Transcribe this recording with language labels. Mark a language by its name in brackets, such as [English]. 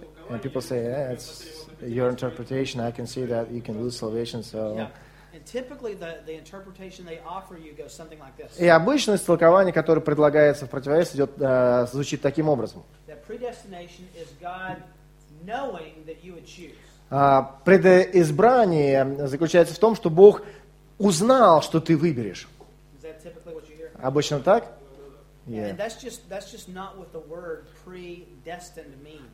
[English] And people say, yeah, it's your interpretation. I can see that you can lose salvation, so... Yeah. And typically the interpretation they offer you goes something like this. [Russian] И обычное толкование, которое предлагается в противовес, идет, звучит таким образом. [English] That predestination is God knowing that you would choose. [Russian] Предизбрание заключается в том, что Бог узнал, что ты выберешь. [English] Is that typically what you hear? [Russian] Обычно так? [English] Yeah. And that's just not what the word predestined means.